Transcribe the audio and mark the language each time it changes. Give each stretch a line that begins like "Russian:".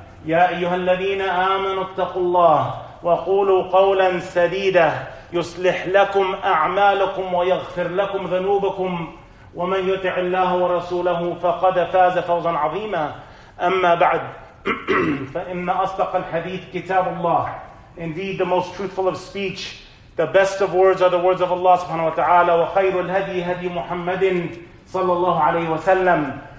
Arabic: يا أيها الذين آمنوا اتقوا الله وقولوا قولا سديدا يصلح لكم أعمالكم ويغفر لكم ذنوبكم، ومن يطع الله ورسوله فقد فاز فوزا عظيما. أما بعد، فإن أصدق الحديث كتاب الله.
English: Indeed, the most truthful of speech, the best of words are the words of Allah subhanahu wa ta'ala.
Arabic: وخير الهدي هدي محمد صلى الله عليه وسلم.